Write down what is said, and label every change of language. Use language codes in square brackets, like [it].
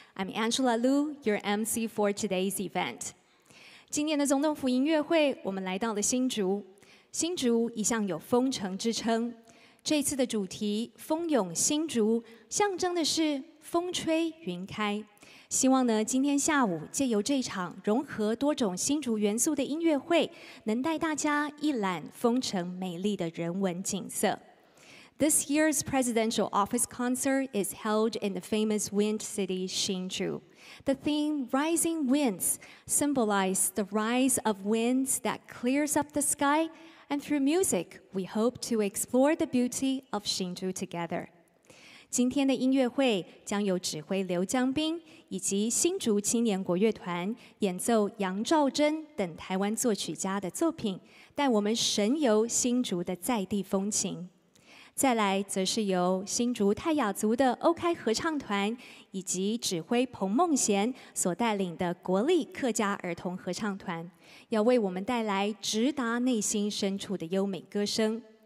[en] I'm Angela Lu, your MC for today's event. [zh] 今年的总统府音乐会，我们来到了新竹。新竹一向有蜂城之称，这次的主题“蜂拥新竹”，象征的是风吹云开。希望呢，今天下午借由这场融合多种新竹元素的音乐会，能带大家一览蜂城美丽的人文景色。 [en] This year's presidential office concert is held in the famous wind city, Hsinchu. The theme, Rising Winds, symbolizes the rise of winds that clears up the sky, and through music, we hope to explore the beauty of Hsinchu together. [zh] 今天的音乐会将由指挥刘江斌以及新竹青年国乐团演奏杨兆珍等台湾作曲家的作品，带我们神游新竹的在地风情。再来则是由新竹泰雅族的欧开合唱团以及指挥彭梦贤所带领的国立客家儿童合唱团，要为我们带来直达内心深处的优美歌声。